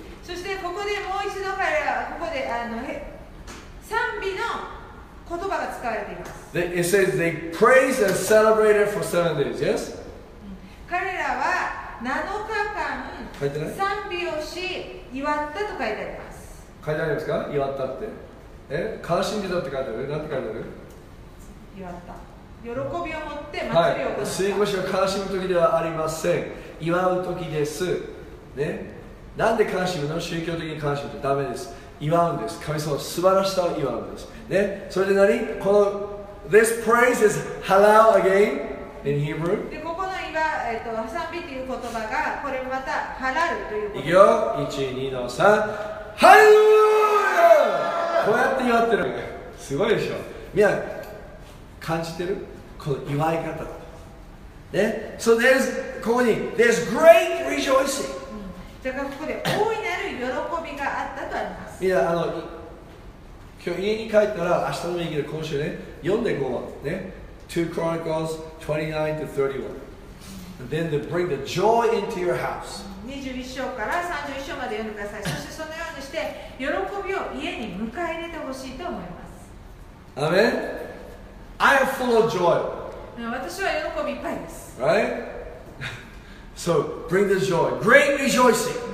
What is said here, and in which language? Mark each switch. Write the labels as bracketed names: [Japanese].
[Japanese] そしてここでもう一度彼らはここで賛美の言葉が使われています。 [English] It says they praise and celebrated for 7 days, yes? [Japanese] 彼らは7日間賛美をし祝ったと書いてあります。書いてありますか？祝ったって、え、悲しんでたって書いてある。何て書いてある？祝った、喜びを持って祭りを行った。聖母子は悲しむ時ではありません、祝う時ですね。なんで悲しむの？宗教的に悲しむとダメです。祝うんです。神様の素晴らしさを祝うんです。ね、それで何？この [English] This praise is halal again in Hebrew。 [Japanese] で、ここの祝、賛美という言葉がこれまたハラルという言葉。いくよ。1、2、の3。ハレルヤ！こうやって祝ってる。すごいでしょ。みんな感じてる？この祝い方。 [English] ね、So there's [Japanese] ここに [English] There's great rejoicing。 [Japanese] だからここで大いなる喜びがあったとあります。いや、今日家に帰ったら明日の日記で今週ね、読んでこうね。 [English] 2 Chronicles 29-31 Then they bring the joy into your house. [Japanese] 21 章から31章まで読んでください。そしてそのようにして喜びを家に迎え入れてほしいと思います。 [English] Amen. I am full of joy. [Japanese] 私は喜びいっぱいです。 [English] Right? So bring the joy, great rejoicing.